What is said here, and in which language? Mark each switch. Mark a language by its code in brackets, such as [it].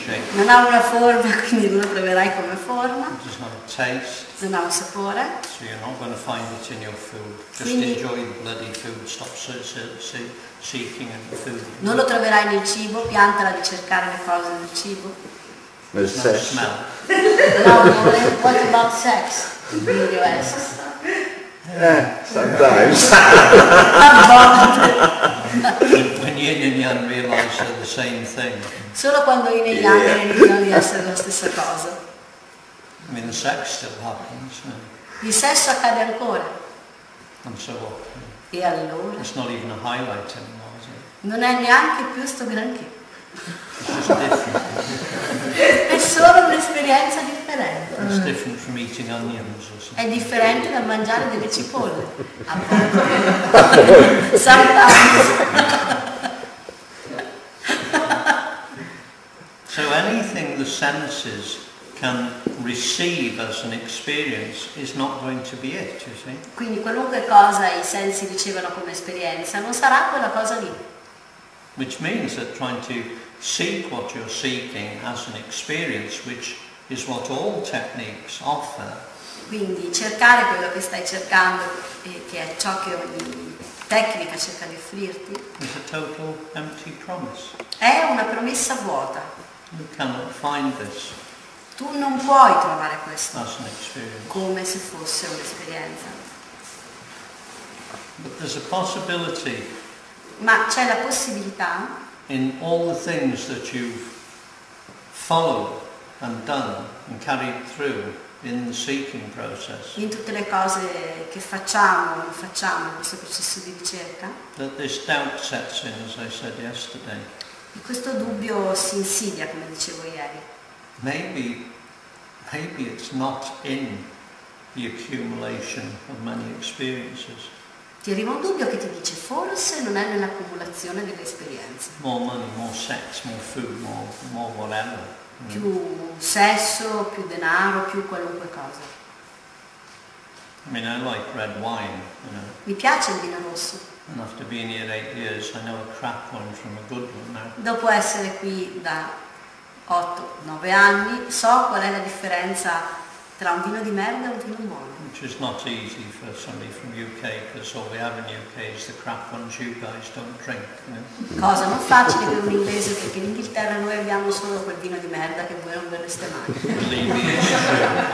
[it] Non ha una forma, quindi non lo troverai come forma. Non ha un sapore. [en] So you're not going to find it in your food. Just enjoy the bloody food. Stop seeking the food. [it] Non lo troverai nel cibo. Piantala di cercare le cose nel cibo. Nel no sesso. [en] Smell. No, what about sex? In the US. Sometimes. When yin and yang realize they're the same thing. [it] Solo quando yin e yang realizzano di essere la stessa cosa. [en] I mean, the sex still happens. [it] Il sesso accade ancora. [en] And so what? [it] E allora? [en] It's not even a highlight anymore, is it? [it] Non è neanche più sto granché. [en] It's different. [it] È solo un'esperienza differente. [en] It's different from eating onions or something. [it] È differente da mangiare delle cipolle. [en] Sometimes. So anything the senses can receive as an experience is not going to be it, you see? [it] Quindi qualunque cosa i sensi ricevono come esperienza non sarà quella cosa lì. [en] Which means that trying to seek what you're seeking as an experience, which is what all techniques offer. [it] Quindi cercare quello che stai cercando e che è ciò che ogni tecnica cerca di offrirti. [en] Is a total empty promise. [it] È una promessa vuota. [en] You cannot find this. [it] Tu non puoi trovare questo [en] as an experience. [it] Come se fosse un'esperienza. [en] But there's a possibility. [it] Ma c'è la possibilità. [en] In all the things that you've followed and done and carried through in the seeking process. [it] In tutte le cose che facciamo, non facciamo in questo processo di ricerca. [en] That this doubt sets in, as I said yesterday. [it] E questo dubbio si insidia, come dicevo ieri. [en] maybe it's not in the accumulation of many experiences. [it] Ti arriva un dubbio che ti dice forse non è nell'accumulazione delle esperienze. [en] More money, more sex, more food, more whatever. [it] Più sesso, più denaro, più qualunque cosa. [en] I mean, I like red wine, you know. [it] Mi piace il vino rosso. [en] And after being here 8 years, I know a crap one from a good one now. [it] Dopo essere qui da 8-9 anni, so qual è la differenza tra un vino di merda e un vino buono. [en] Which is not easy for somebody from UK, because all we have in UK is the crap ones you guys don't drink. You know? [it] Cosa non facile per un inglese, perché in Inghilterra noi abbiamo solo quel vino di merda che voi non berreste mai.